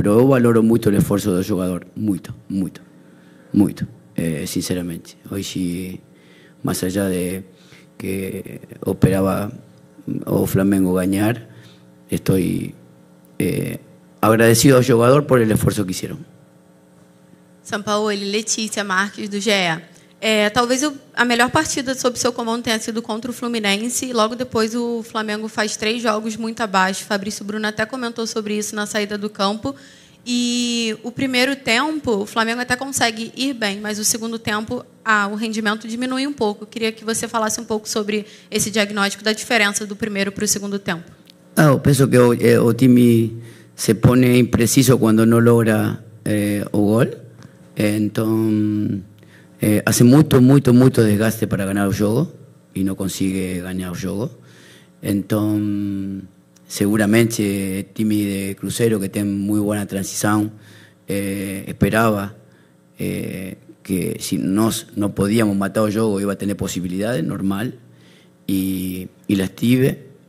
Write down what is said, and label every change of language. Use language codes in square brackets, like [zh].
[es] Pero yo valoro mucho el esfuerzo del jugador, mucho, mucho, mucho, sinceramente. Hoy sí, más allá de que esperaba o Flamengo ganar, estoy agradecido al jugador por el esfuerzo que hicieron. [pt] Sampaoli, Letícia Marques, do GE. Talvez a melhor partida sob seu comando tenha sido contra o Fluminense. Logo depois, o Flamengo faz 3 jogos muito abaixo. Fabrício Bruno até comentou sobre isso na saída do campo. E o primeiro tempo, o Flamengo até consegue ir bem, mas o segundo tempo, o rendimento diminui um pouco. Eu queria que você falasse um pouco sobre esse diagnóstico da diferença do primeiro para o segundo tempo. Eu penso que o time se põe impreciso quando não logra o gol. Então... [es] hace mucho, mucho, mucho desgaste para ganar el juego y no consigue ganar el juego. Entonces, seguramente el team de Cruzeiro, que tiene muy buena transición, esperaba que si no podíamos matar el juego, iba a tener posibilidades, normal, y las tuve.